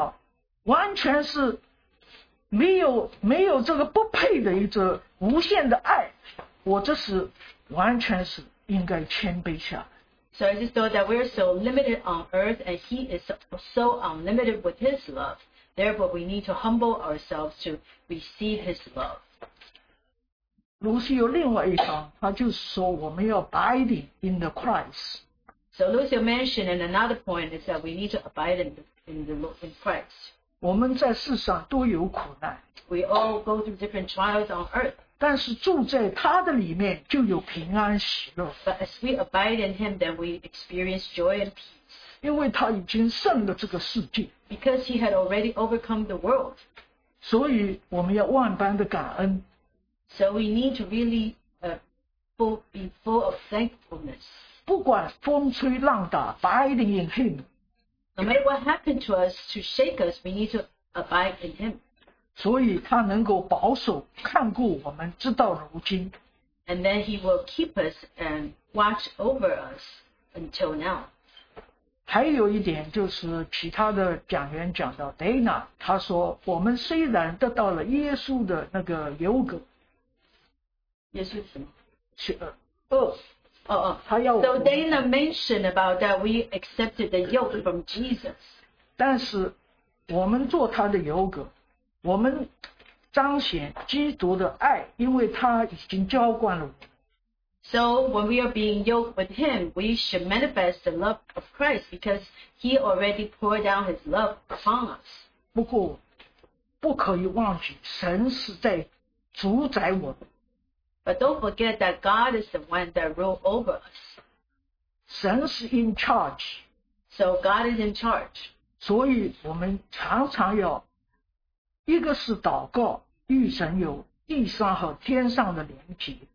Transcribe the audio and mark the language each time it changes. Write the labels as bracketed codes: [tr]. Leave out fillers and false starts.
[zh] 我想到我们这么的短暂在地上，他这么的无限，这怎么可以忍受他这么大的无限的啊，完全是。没有这个不配的一个无限的爱，我这是完全是应该谦卑下。 [en] So I just thought that we are so limited on earth, and He is so unlimited with His love. Therefore, we need to humble ourselves to receive His love. [zh] 卢西又另外一章，他就说我们要 [en] abiding in the Christ. So Lucio mentioned in another point is that we need to abide in Christ. [zh] 我们在世上都有苦难。 [en] We all go through different trials on earth. [zh] 但是住在他的里面就有平安喜乐。 [en] But as we abide in Him, then we experience joy and peace. [zh] 因为他已经胜了这个世界。 [en] Because He had already overcome the world. [zh] 所以我们要万般的感恩。 [en] So we need to really be full of thankfulness. [zh] 不管风吹浪打, [en] abiding in Him. No matter what happened to us, to shake us, we need to abide in Him. [zh] 所以他能够保守, 看顾我们, [en] and then He will keep us and watch over us until now. [zh] 还有一点就是其他的讲员讲到 Dana, 他说, 我们虽然得到了耶稣的那个流格, 耶稣什么? 他要我们, [en] so Dana mentioned about that we accepted the yoke from Jesus. [zh] 但是我们做他的流格, 我们彰显基督的爱, 因为他已经浇灌了我们。 [en] So when we are being yoked with Him, we should manifest the love of Christ because He already poured down His love upon us. [zh] 不过不可以忘记, 神是在主宰我们。 [en] But don't forget that God is the one that rules over us. [zh] 神是 [en] in charge. So God is in charge. [zh] 所以我们常常要 一个是祷告，与神有地上和天上的连结。